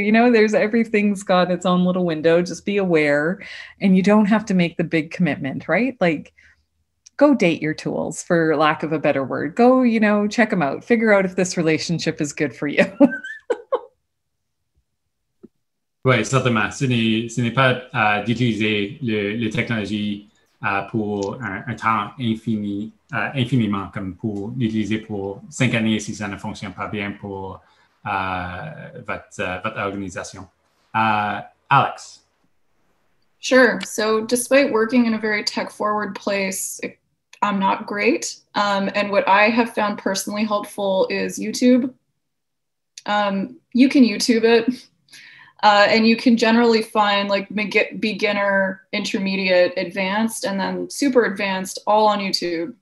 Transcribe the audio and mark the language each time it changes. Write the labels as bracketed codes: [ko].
[en] You know, there's everything's got its own little window. Just be aware, and you don't have to make the big commitment, right? Like, go date your tools, for lack of a better word. Go, you know, check them out. Figure out if this relationship is good for you. [fr] Oui, certainement. Ce n'est pas d'utiliser les technologies pour un temps infiniment, comme pour l'utiliser pour 5 années si ça ne fonctionne pas bien pour votre organisation. [en] Alex. Sure. So despite working in a very tech-forward place, I'm not great. And what I have found personally helpful is YouTube. You can YouTube it. And you can generally find like beginner, intermediate, advanced, and then super advanced all on YouTube.